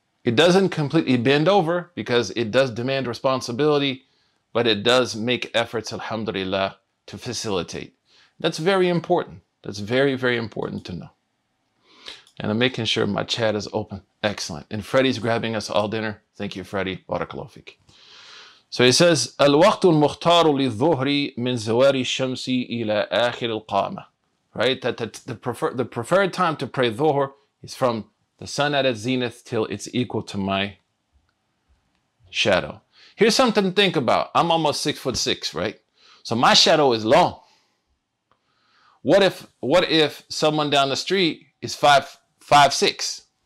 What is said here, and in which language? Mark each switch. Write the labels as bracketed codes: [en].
[en] It doesn't completely bend over because it does demand responsibility, but it does make efforts, alhamdulillah, to facilitate. That's very important. That's very, very important to know. And I'm making sure my chat is open. Excellent. And Freddie's grabbing us all dinner. Thank you, Freddie. Barakallahu fik. [ar] So he says, الوقت المختار للظهر من زوال الشمس إلى آخر القامة. [en] Right? The preferred time to pray Dhuhr is from the sun at its zenith till it's equal to my shadow. Here's something to think about. I'm almost 6'6", right? So my shadow is long. What if someone down the street is 5'6"?